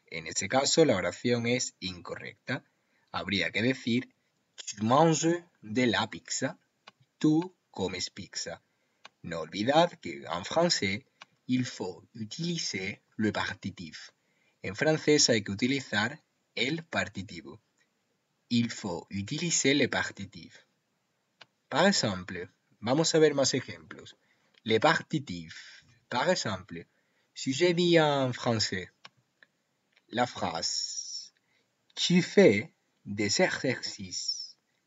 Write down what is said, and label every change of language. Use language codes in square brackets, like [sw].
[es] En ese caso, la oración es incorrecta. Habría que decir, [fr] tu manges de la pizza, [es] tú comes pizza. No olvidad que en francés, [fr] il faut utiliser le partitif. [es] En francés hay que utilizar el partitivo. [fr] Il faut utiliser le partitif. Par exemple, [es] vamos a ver más ejemplos. [fr] Le partitif. Par exemple, si je dis en français la phrase tu fais des exercices.